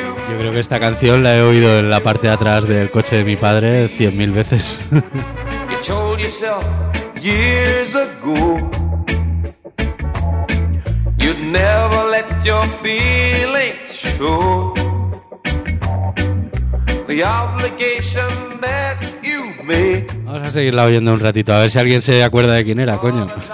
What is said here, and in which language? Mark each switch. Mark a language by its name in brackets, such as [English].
[Spanish] Yo creo que esta canción la he oído en la parte de atrás del coche de mi padre 100.000 veces. [English] You told yourself years ago you'd never let your feelings show the obligation that you made. [Spanish] Vamos a seguirla oyendo un ratito, a ver si alguien se acuerda de quién era, coño.